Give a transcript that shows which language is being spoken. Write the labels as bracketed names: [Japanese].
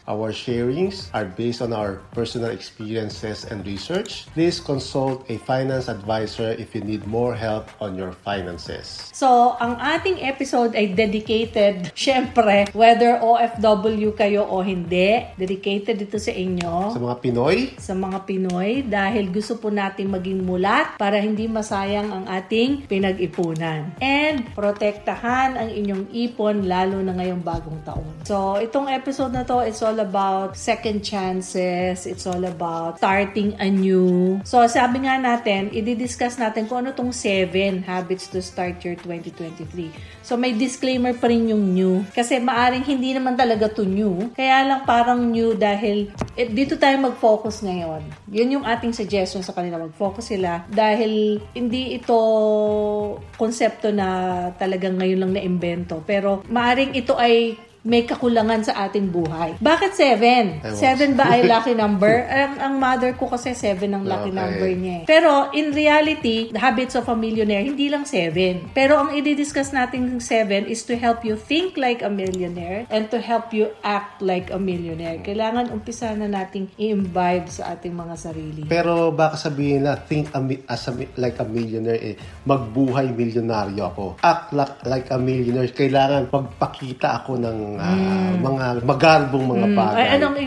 [English] Our sharings are based on our personal experiences and research. Please consult a finance advisor if you need more help on your finances. [Filipino] So, ang ating episode ay dedicated, syempre, whether OFW kayo o hindi, dedicated dito sa inyo. Sa mga Pinoy. Dahil gusto po natin maging mulat para hindi masayang ang ating pinag-ipunan. And protektahan ang inyong ipon lalo na ngayong bagong taon. [English] So, itong episode na to, it's all about second chances. It's all about starting anew. So, [Filipino] sabi nga natin, i-discuss natin kung ano itong [English] 7 habits to start your 2023. [Filipino] So, may disclaimer pa rin yung new. Kasi maaring hindi naman talaga to new. Kaya lang parang new dahil dito tayo mag-focus ngayon. Yun yung ating suggestion sa kanila, mag-focus sila dahil hindi ito konsepto na talagang ngayon lang na-invento. Pero maaring ito ay may kakulangan sa ating buhay. Bakit 7? 7 ba ay lucky number? Ang mother ko kasi 7 ang lucky number niya. [English] Pero in reality, the habits of a millionaire, [Filipino] hindi lang [English] 7. [Filipino] Pero ang i-discuss natin ng 7 [English] is to help you think like a millionaire and to help you act like a millionaire. [Filipino] Kailangan umpisa na nating i-imbibe sa ating mga sarili. Pero baka sabihin na [English] think like a millionaire [Filipino] magbuhay millionaryo ako. [English] Act like a millionaire. [Filipino] Kailangan magpakita ako ng mga magalbong mga bagay.